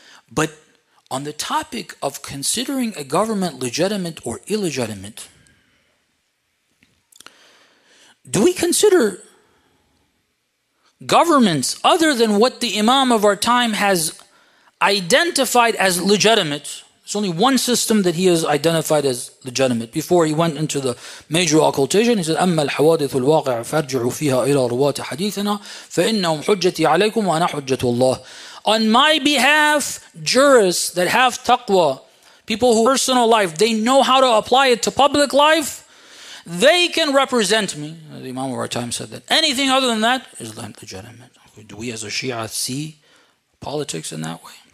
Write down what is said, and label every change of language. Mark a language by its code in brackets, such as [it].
[en] But on the topic of considering a government legitimate or illegitimate, do we consider governments other than what the Imam of our time has identified as legitimate? There's only one system that he has identified as legitimate. Before he went into the major occultation, he said, [ar] أَمَّا الْحَوَادِثُ الْوَاقِعُ فَارْجِعُوا فِيهَا إِلَى رُوَاتِ حَدِيثِنَا فَإِنَّهُمْ حُجَّتِي عَلَيْكُمْ وَأَنَا حُجَّةُ اللَّهِ. [en] On my behalf, jurists that have taqwa, people who personal life, they know how to apply it to public life, they can represent me. The Imam of our time said that. Anything other than that is legitimate. Do we as a Shia see politics in that way?